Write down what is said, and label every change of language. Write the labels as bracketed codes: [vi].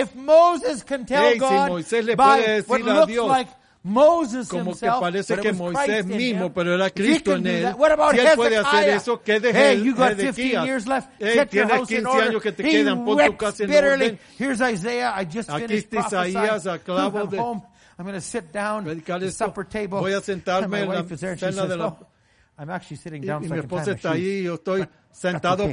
[es] si Moisés le puede decir a Dios, como que parece que Moisés mismo, pero era Cristo en él. Si él puede hacer eso, ¿qué de Jezequías? Hey, tienes 15 años que te quedan, pon tu casa en orden. Aquí está Isaías, a clavo de... [en] I'm going to sit down at the supper table. [es] Voy a sentarme en la cena de la... [en] Oh, I'm actually sitting down. [es] Y mi esposa está ahí, yo estoy sentado okay.